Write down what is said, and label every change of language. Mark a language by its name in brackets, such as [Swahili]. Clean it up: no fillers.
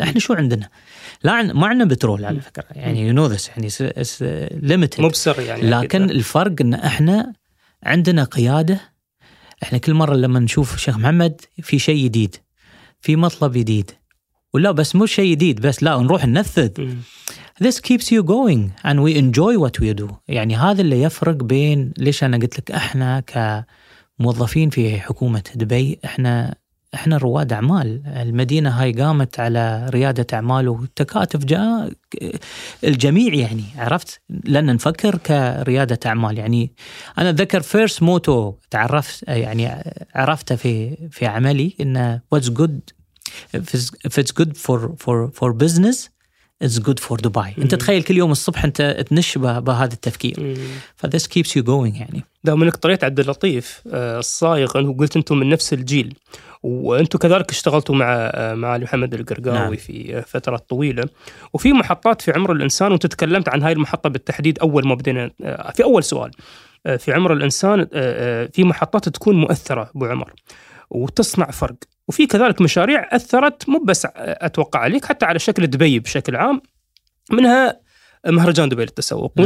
[Arabic] إحنا شو عندنا؟ لا ما عندنا بترول على فكرة، يعني [English] you know this، [Arabic] يعني [English] it's limited [Arabic] مبصر يعني، لكن كده. الفرق إن إحنا عندنا قيادة. إحنا كل مرة لما نشوف شيخ محمد في شيء جديد، في مطلب جديد، ولا بس مو شيء جديد بس، لا نروح ننفذ. [English] This keeps you going and we enjoy what we do. [Arabic] يعني هذا اللي يفرق بين، ليش أنا قلت لك إحنا كموظفين في حكومة دبي، إحنا رواد أعمال. المدينة هاي قامت على ريادة أعمال وتكاتف جاء الجميع، يعني عرفت، لأن نفكر كريادة أعمال. يعني أنا ذكر [English] first motto [Arabic] تعرفت، يعني عرفته في عملي، إن [English] what's good if it's good for business it's good for Dubai. [Arabic] أنت تخيل كل يوم الصبح أنت تنش بهذا التفكير. [English] فthis keeps you going. يعني [Arabic] ده من اقتريت عبد اللطيف الصايغ، أنه قلت أنتم من نفس الجيل، وأنتم كذلك اشتغلتوا مع محمد القرقاوي. نعم. في فترة طويلة، وفي محطات في عمر الإنسان، وتتكلمت عن هاي المحطة بالتحديد أول ما بدنا، في أول سؤال، في عمر الإنسان في محطات تكون مؤثرة بعمر وتصنع فرق، وفي كذلك مشاريع أثرت مو بس أتوقع عليك، حتى على شكل دبي بشكل عام، منها مهرجان دبي للتسوق. نعم.